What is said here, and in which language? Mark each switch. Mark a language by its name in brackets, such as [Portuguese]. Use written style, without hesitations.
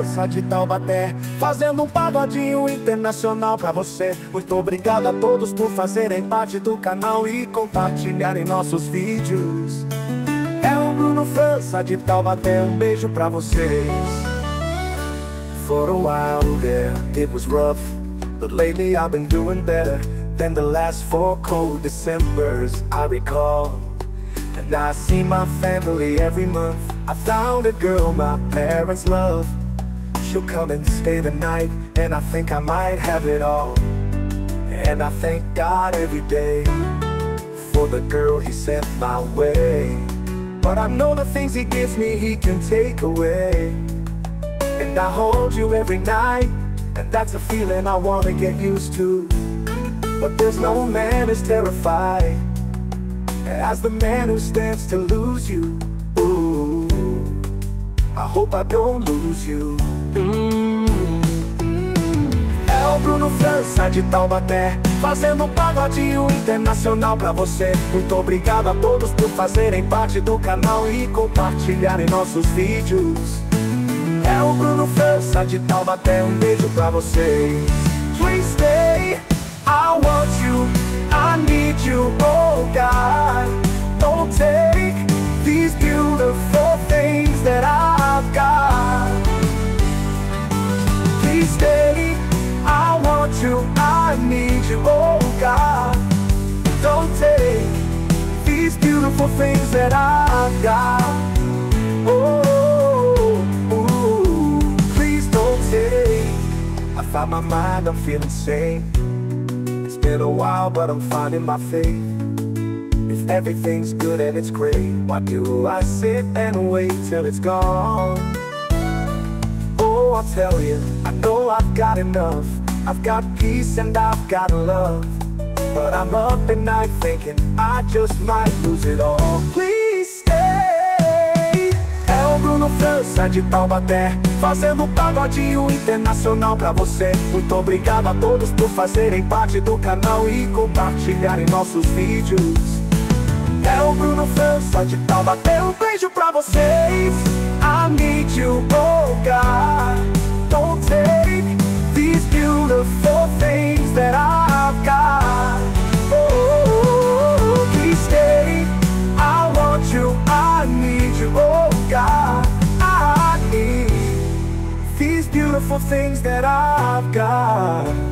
[Portuguese] De Taubaté, fazendo um pagodinho internacional pra você. Muito obrigado a todos por fazerem parte do canal e compartilharem nossos vídeos. É o Bruno França de Taubaté, um beijo pra vocês. [English] For a while there, it was rough, but lately I've been doing better than the last four cold Decembers I recall. And I see my family every month. I found a girl my parents love. She'll come and stay the night, and I think I might have it all. And I thank God every day for the girl he sent my way. But I know the things he gives me he can take away. And I hold you every night, and that's a feeling I wanna get used to. But there's no man as terrified as the man who stands to lose you. Ooh, I hope I don't lose you. [Portuguese] É o Bruno França de Taubaté, fazendo um pagodinho internacional pra você. Muito obrigado a todos por fazerem parte do canal e compartilharem nossos vídeos. É o Bruno França de Taubaté, um beijo pra vocês. [English] Please stay, I want you, I need you, oh God. Don't take these beautiful things that I've got. Stay, I want you, I need you, oh God. Don't take these beautiful things that I've got. Oh, oh, oh, oh, please don't take. I found my mind, I'm feeling sane. It's been a while, but I'm finding my faith. If everything's good and it's great, why do I sit and wait till it's gone? I'll tell you, I know I've got enough. I've got peace and I've got love. But I'm up at night thinking I just might lose it all. Please stay. [Portuguese] É o Bruno França de Taubaté, fazendo um pagodinho internacional pra você. Muito obrigado a todos por fazerem parte do canal e compartilharem nossos vídeos. É o Bruno França de Taubaté, um beijo pra vocês. [English] I need you, oh God. Don't take these beautiful things that I've got. Oh, oh, oh, oh, please stay. I want you, I need you, oh God. I need these beautiful things that I've got.